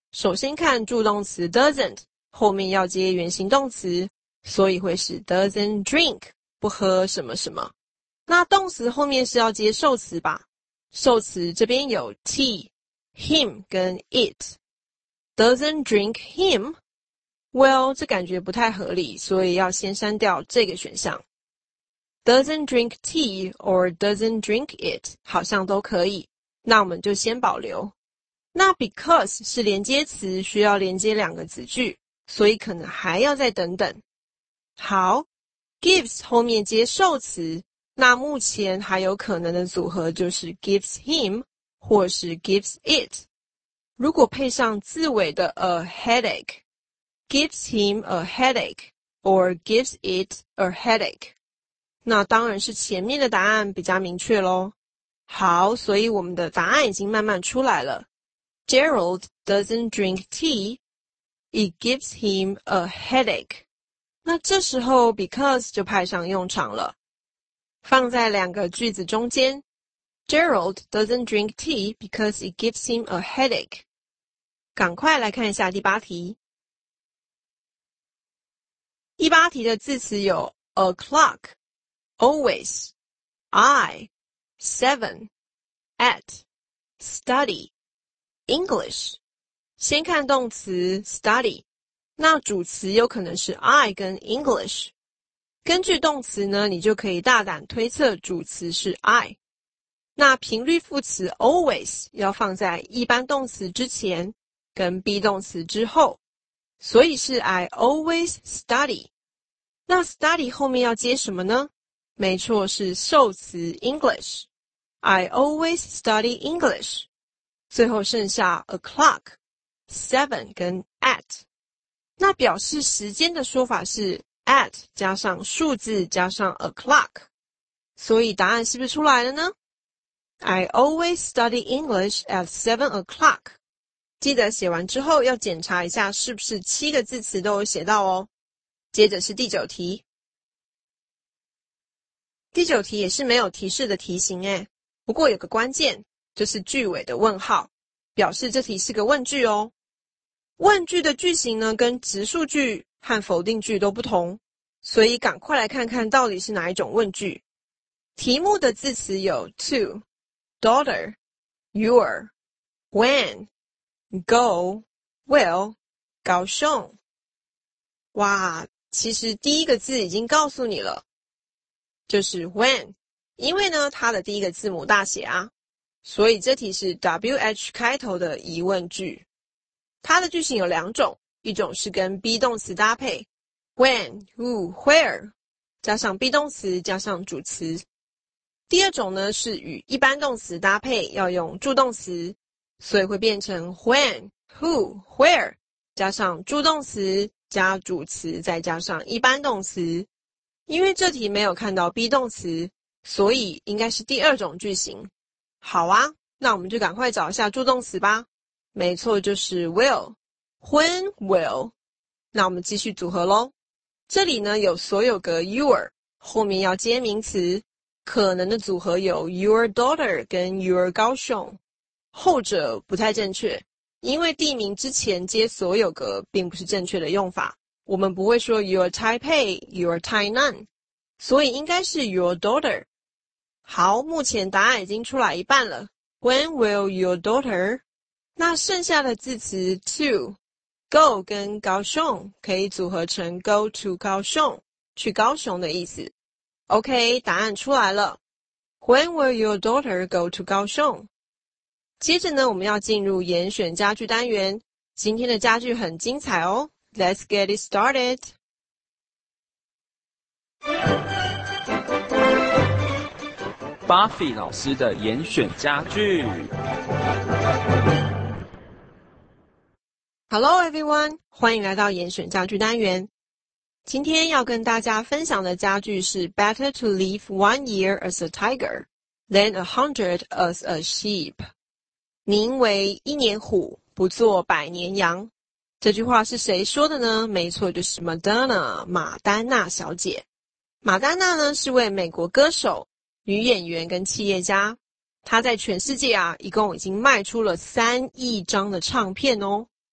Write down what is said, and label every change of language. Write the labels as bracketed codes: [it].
[zh] 首先看助动词 doesn't， 后面要接原形动词，所以会是 doesn't drink， 不喝什么什么。那动词后面是要接受词吧，受词这边有 tea, him 跟 it。 [en] Doesn't drink him? [zh] Well, 这感觉不太合理，所以要先删掉这个选项。 [en] Doesn't drink tea or doesn't drink it [zh] 好像都可以，那我们就先保留。那 because 是连接词，需要连接两个子句，所以可能还要再等等。好， gives 后面接受词，那目前还有可能的组合就是 gives him 或是 gives it。如果配上字尾的 a headache， [en] gives him a headache [zh] or gives it a headache， 那当然是前面的答案比较明确咯。好，所以我们的答案已经慢慢出来了， [en] Gerald doesn't drink tea, it gives him a headache. [zh] 那这时候 because 就派上用场了，放在两个句子中间， [en] Gerald doesn't drink tea because it gives him a headache. [zh] 赶快来看一下第八题。第八题的字词有 a clock, always, I, seven, at, study,English。先看动词 study， 那主词有可能是 I 跟 English， 根据动词呢，你就可以大胆推测主词是 I。那频率副词 always 要放在一般动词之前跟 be 动词之后，所以是 [en] I always study。 [zh] 那 study 后面要接什么呢？没错，是受词 English， [en] I always study English。 [zh] 最后剩下 o'clock, seven 跟 at。那表示时间的说法是 at 加上数字加上 o'clock， 所以答案是不是出来了呢？ [en] I always study English at 7 o'clock。 [zh] 记得写完之后要检查一下是不是七个字词都有写到哦。接着是第九题，第九题也是没有提示的题型耶，不过有个关键就是句尾的问号，表示这题是个问句哦。问句的句型呢，跟直述句和否定句都不同，所以赶快来看看到底是哪一种问句。题目的字词有 to, daughter, your, when, go, well, 高雄。哇，其实第一个字已经告诉你了，就是 when， 因为呢它的第一个字母大写啊，所以这题是 WH 开头的疑问句。它的句型有两种，一种是跟 be 动词搭配， when, who, where 加上 be 动词加上主词。第二种呢是与一般动词搭配，要用助动词，所以会变成 when, who, where 加上助动词加主词再加上一般动词。因为这题没有看到 be 动词，所以应该是第二种句型。好啊，那我们就赶快找一下助动词吧。没错，就是 will, when, will。那我们继续组合咯，这里呢有所有格 your， 后面要接名词，可能的组合有 your daughter 跟 your 高雄，后者不太正确，因为地名之前接所有格并不是正确的用法，我们不会说 [en] your Taipei, your Tainan, [zh] 所以应该是 your daughter。好，目前答案已经出来一半了， [en] when will your daughter。 [zh] 那剩下的字词 to go 跟高雄可以组合成 go to 高雄，去高雄的意思。 [en] OK, [zh] 答案出来了， [en] when will your daughter go to 高雄。 [zh] 接着呢，我们要进入严选家具单元，今天的家具很精彩哦， [en] Let's get it started。 [zh] Buffy 老师的严选家具。 [en] Hello everyone, [zh] 欢迎来到严选家具单元。今天要跟大家分享的家具是 [en] Better to live 1 year as a tiger than 100 as a sheep。 [zh] 宁为一年虎，不做百年羊。这句话是谁说的呢？没错，就是 Madonna, 马丹娜小姐。马丹娜呢，是位美国歌手、女演员跟企业家。她在全世界啊，一共已经卖出了3亿张的唱片哦。